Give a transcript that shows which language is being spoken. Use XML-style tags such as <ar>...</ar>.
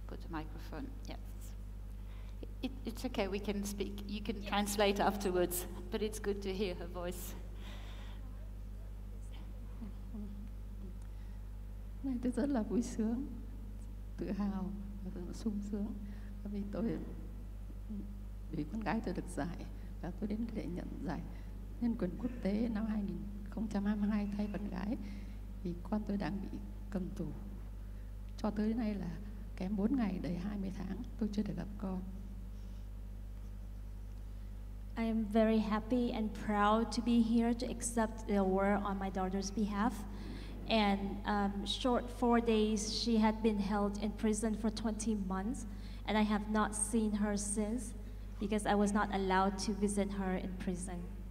<en>Microphone, yes. It's okay, we can speak, you can yes. translate afterwards, but it's good to hear her voice.</en> <vi>Này, tôi rất là vui sướng, tự hào và sung sướng vì tôi vì con gái tôi được giải và tôi đến để nhận giải nhân quyền quốc tế năm 2022 thay con gái vì con tôi đang bị cầm tù cho tới nay là kém 4 ngày đầy 20 tháng tôi chưa được gặp con.</vi> <en>I am very happy and proud to be here to accept the award on my daughter's behalf. And short 4 days she had been held in prison for 20 months and I have not seen her since because I was not allowed to visit her in prison.</en>